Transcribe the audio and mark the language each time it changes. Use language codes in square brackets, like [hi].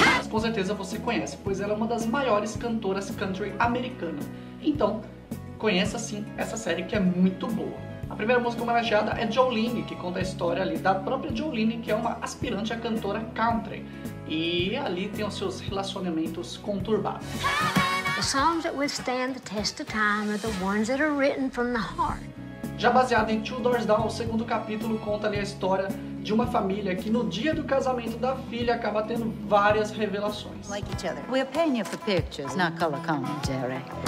[pt] Com certeza você conhece, pois ela é uma das maiores cantoras country americana. Então, conheça sim essa série que é muito boa. A primeira música homenageada é Jolene, que conta a história ali da própria Jolene, que é uma aspirante a cantora country. E ali tem os seus relacionamentos conturbados. [en] The songs that withstand the test of time are the ones that are written from the heart. [pt] Já baseado em Two Doors Down, o segundo capítulo conta ali a história de uma família que no dia do casamento da filha acaba tendo várias revelações. [en] Like each other. We're paying you for pictures, not color commentary.